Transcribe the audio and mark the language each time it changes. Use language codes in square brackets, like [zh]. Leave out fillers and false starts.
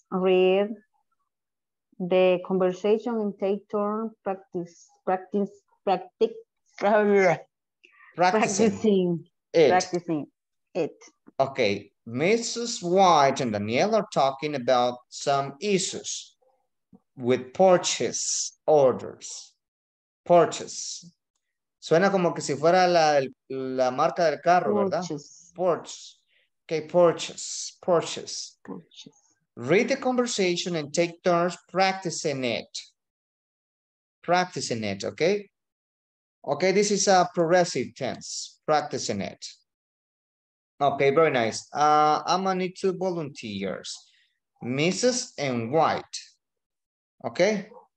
[en] Read the conversation and take turn practicing it. Okay, Mrs. White and Danielle are talking about some issues with purchase orders. Purchase. [es] Suena como que si fuera la marca del carro, ¿verdad? [en] Purchase. Okay, purchase. Read the conversation and take turns practicing it, okay? Okay, this is a progressive tense, practicing it. Okay, very nice. I'm gonna need two volunteers, Mrs. and White, okay?